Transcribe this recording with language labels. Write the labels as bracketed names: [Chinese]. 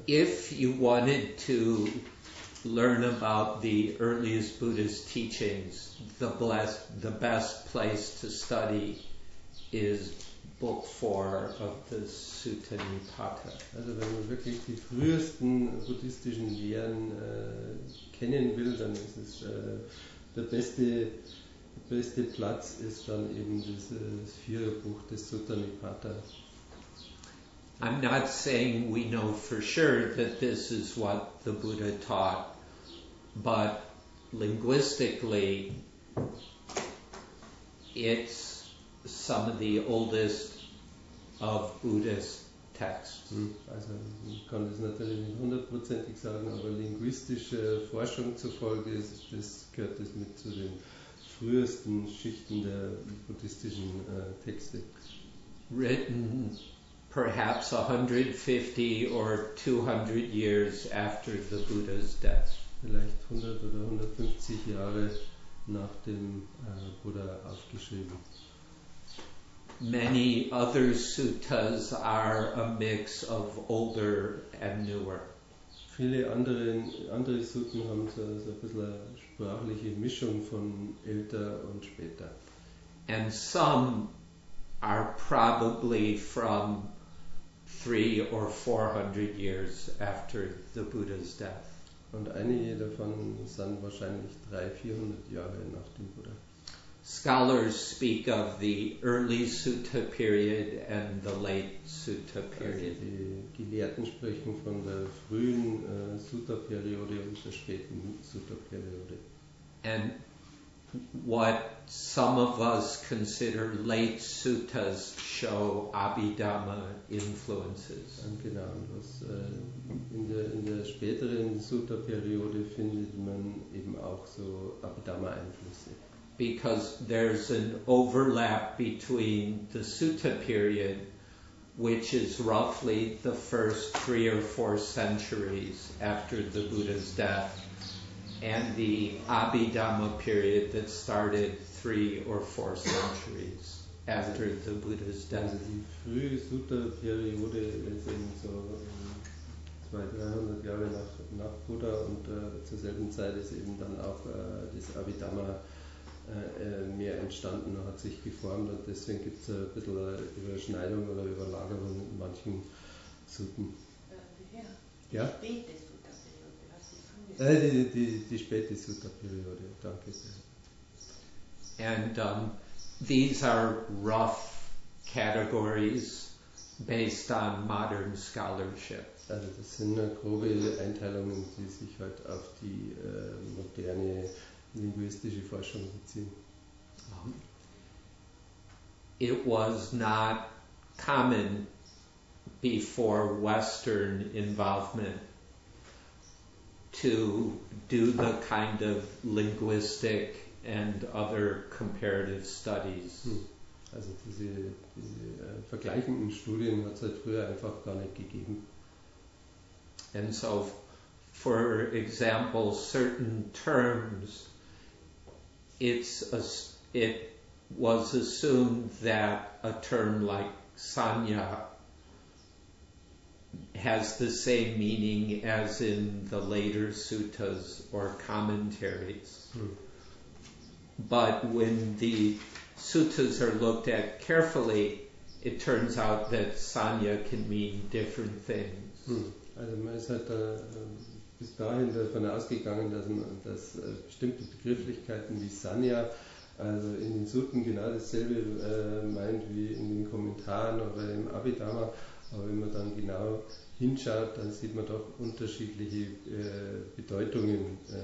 [English] If you wanted to learn about the earliest Buddhist teachings, the best place to study is Book 4 of the Suttanipata. [German] Also wenn man wirklich die frühesten buddhistischen Lehren kennen will, dann ist es der beste Platz ist dann eben dieses vierte Buch des Suttanipata. [English] I'm not saying we know for sure that this is what the Buddha taught, but linguistically it's some of the oldest of Buddhist texts. [German] Also ich kann das natürlich nicht hundertprozentig sagen, aber linguistische Forschung zufolge gehört das mit zu den frühesten Schichten der buddhistischen Texte. [English] Written perhaps 150 or 200 years after the Buddha's death. [German] Vielleicht 100 oder 150 Jahre nach dem Buddha aufgeschrieben. [English] Many other suttas are a mix of older and newer. [German] Viele andere Sutten haben so ein bisschen eine sprachliche Mischung von älter und später. [English] And some are probably from 300 or 400 years after the Buddha's death. [German] Und einige davon sind wahrscheinlich 300 or 400 Jahre nach dem Buddha. [English] Scholars speak of the early Sutta period and the late Sutta period. [German] Also die Gelehrten sprechen von der frühen Sutta-Periode und der späten Sutta-Periode. [English] And what some of us consider late suttas show Abhidhamma influences. [German] Und genau, was in der späteren Sutta-Periode findet man eben auch so Abhidhamma-Einflüsse. [English] Because there's an overlap between the Sutta period, which is roughly the first 3 or 4 centuries after the Buddha's death, and the Abhidhamma period that started 3 or 4 centuries after the Buddha's death. [German] Also die frühe Sutta-Periode ist eben so 200-300 Jahre nach Buddha und zur selben Zeit ist eben dann auch das Abhidhamma mehr entstanden, hat sich geformt und deswegen gibt es ein bisschen eine Überschneidung oder Überlagerung in manchen Suten. Ja? Späte Sutta-Periode. Die späte Sutta-Periode, danke sehr. [English] And these are rough categories based on modern scholarship. [German] Also das sind grobe Einteilungen, die sich halt auf die moderne linguistische Forschung beziehen. [English] It was not common before Western involvement to do the kind of linguistic and other comparative studies. [German] Also diese vergleichenden Studien hat es halt früher einfach gar nicht gegeben. [English] And so, for example, certain terms, it was assumed that a term like Sanya has the same meaning as in the later suttas or commentaries. But when the suttas are looked at carefully, it turns out that Sanya can mean different things. [German] Also man ist halt da, bis dahin davon ausgegangen, dass, man, dass bestimmte Begrifflichkeiten wie Sanya also in den Sutten genau dasselbe meint wie in den Kommentaren oder im Abhidhamma. Aber wenn man dann genau hinschaut, dann sieht man doch unterschiedliche Bedeutungen.